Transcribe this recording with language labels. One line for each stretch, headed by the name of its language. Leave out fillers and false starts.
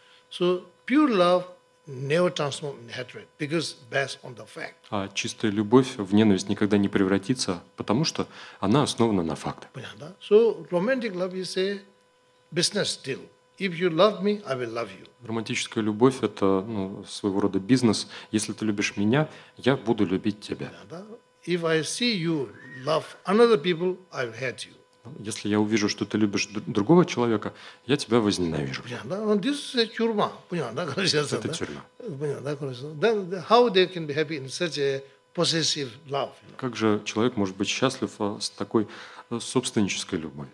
English: So pure love never transform in hatred because based on the fact.
Russian: А чистая любовь в ненависть никогда не превратится, потому что она основана на фактах. Понятно, да?
English: So romantic love is a business deal. If you love me, I will love you.
Russian: Романтическая любовь это, ну, своего рода бизнес. Если ты любишь меня, я буду любить тебя. Понятно, да?
English: If I see you love another people, I will hate you.
Russian: Если я увижу, что ты любишь другого человека, я тебя возненавижу.
English: This is a
Russian: тюрьма. Понятно, да? Это тюрьма. Понятно, да?
English: How they can be happy in such a possessive love?
Russian: Как же человек может быть счастлив с такой собственнической любовью?